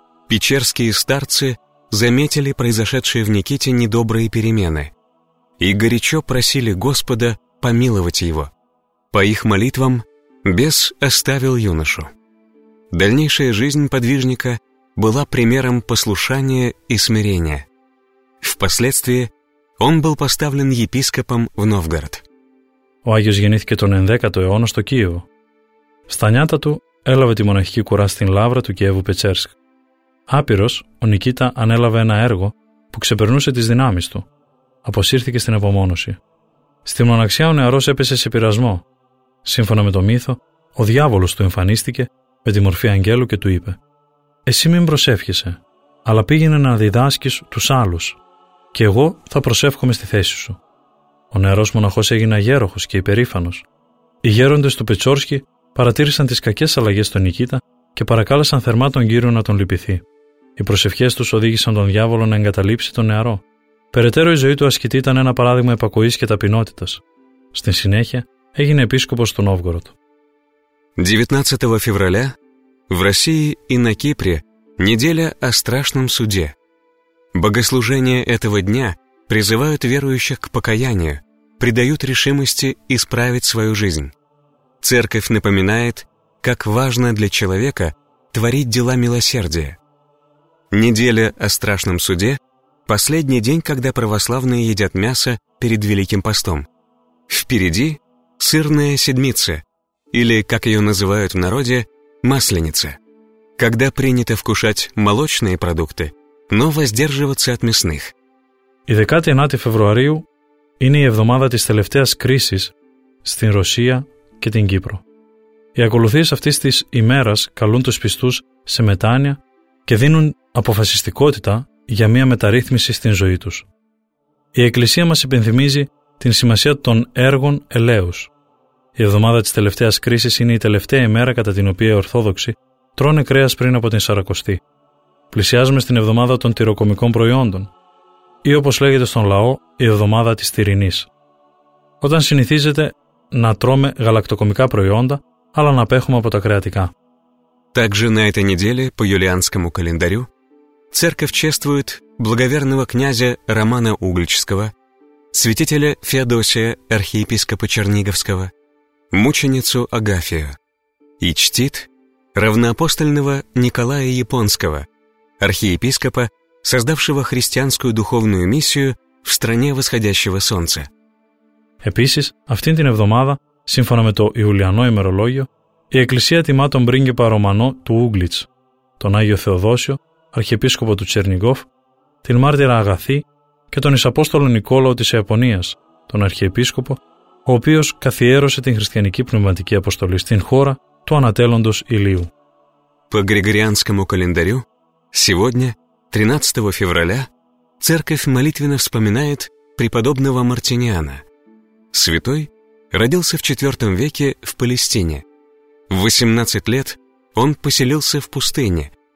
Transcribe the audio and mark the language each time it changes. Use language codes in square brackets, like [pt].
[ru] Печерские старцы заметили произошедшие в Никите недобрые перемены и горячо просили Господа помиловать его. По их молитвам бес оставил юношу. Дальнейшая жизнь подвижника была примером послушания и смирения. Впоследствии он был поставлен епископом в Новгород. [el] Ο Άγιος γεννήθηκε τον 11ο αιώνα στο Κίεβο. Στα νιάτα του έλαβε τη μοναχική κουρά στην λαύρα του Κιέβου Πετσέρσκ. Άπειρος, ο Νικήτα ανέλαβε ένα έργο που ξεπερνούσε τις δυνάμεις του. Αποσύρθηκε στην απομόνωση. Στη μοναξιά ο νεαρός έπεσε σε πειρασμό. Σύμφωνα με το μύθο, ο διάβολος του εμφανίστηκε με τη μορφή αγγέλου και του είπε: «Εσύ μην προσεύχεσαι, αλλά πήγαινε να διδάσκεις τους άλλους και εγώ θα προσεύχομαι στη θέση σου». Ο νεαρός μοναχός έγινε αγέροχος και υπερήφανος. Οι γέροντες του Πετσόρσκι παρατήρησαν τις κακές αλλαγές στον Νικήτα και παρακάλεσαν θερμά τον Κύριο να τον λυπηθεί. Οι προσευχές τους οδήγησαν τον διάβολο να εγκαταλείψει τον νεαρό. Περαιτέρω η ζωή του ασκητή ήταν ένα παράδειγμα υπακοής και ταπεινότητας. Στην συνέχεια έγινε επίσκοπος του Νόβγορωτ. [ru] 19 февраля в России и на Кипре неделя о страшном суде. Богослужения этого дня призывают верующих к покаянию, придают решимости исправить свою жизнь. Церковь напоминает, как важно для человека творить дела милосердия. Неделя о страшном суде – последний день, когда православные едят мясо перед Великим постом. Впереди – сырная седмица, или, как ее называют в народе, масленица. Когда принято вкушать молочные продукты, но воздерживаться от мясных. [el] Η 19η Φεβρουαρίου είναι η εβδομάδα της τελευταίας κρίσης στην Ρωσία και την Κύπρο. Οι ακολουθίες αυτής της ημέρας καλούν τους πιστούς σε μετάνοια και δίνουν αποφασιστικότητα για μια μεταρρύθμιση στην ζωή τους. Η Εκκλησία μας υπενθυμίζει την σημασία των έργων ελέους. Η εβδομάδα της τελευταίας κρίσης είναι η τελευταία ημέρα κατά την οποία οι Ορθόδοξοι τρώνε κρέας πριν από την Σαρακοστή. Πλησιάζουμε στην εβδομάδα των τυροκομικών προϊόντων ή, όπως λέγεται στον λαό, η εβδομάδα της τυρινής. Όταν συνηθίζεται να τρώμε γαλακτοκομικά προϊόντα, αλλά να απέχουμε από τα κρεατικά. [ru] Также на этой неделе по юлианскому календарю церковь чествует благоверного князя Романа Угличского, святителя Феодосия, архиепископа Черниговского, мученицу Агафию и чтит равноапостольного Николая Японского, архиепископа, создавшего христианскую духовную миссию в стране восходящего солнца. [el] Επίσης, αυτήν την εβδομάδα, σύμφωνα με το Ιουλιανό ημερολόγιο, η Εκκλησία τιμά τον πρίγκιπα Ρωμανό του Ούγκλιτς, τον Άγιο Θεοδόσιο, αρχιεπίσκοπο του Τσερνιγκόφ, την μάρτυρα Αγαθή και τον Ισαπόστολο Νικόλαο της Ιαπωνίας, τον αρχιεπίσκοπο, ο οποίος καθιέρωσε την χριστιανική πνευματική αποστολή στην χώρα του ανατέλλοντος Ηλίου. [ru] По Григорианскому календарю, сегодня, 13 февраля, церковь молитвенно вспоминает преподобного Мартиниана. Святой родился в 4 веке в Палестине. В 18 лет он поселился в пустыне.